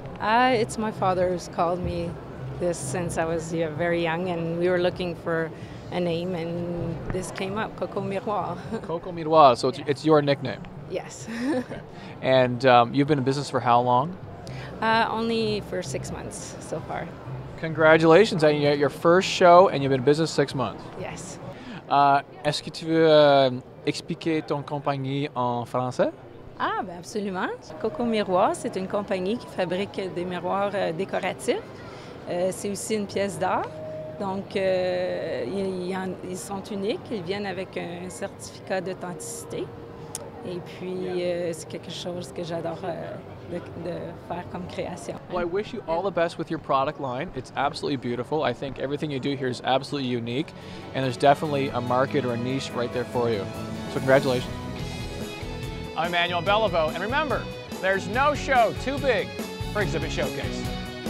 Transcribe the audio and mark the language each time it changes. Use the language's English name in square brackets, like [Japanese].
[English] It's my father who's called me this since I was very young, and we were looking for a name, and this came up, Coco Miroir. Coco Miroir, so it's, yes. It's your nickname. Yes. Okay. And you've been in business for how long? Only for 6 months so far. Congratulations. And you're at your first show and you've been in business 6 months. Yes. [French] Est-ce que tu veux expliquer ton compagnie en français? Ah, ben absolument. Coco Miroir, c'est une compagnie qui fabrique des miroirs décoratifs. C'est aussi une pièce d'art. Donc, ils sont uniques. Ils viennent avec un certificat d'authenticité. Et puis, c'est quelque chose que j'adore de faire comme création. [English] Well, I wish you all the best with your product line. It's absolutely beautiful. I think everything you do here is absolutely unique. And there's definitely a market or a niche right there for you. So congratulations. I'm Emmanuel Bellevaux. And remember, there's no show too big for Exhibit Showcase.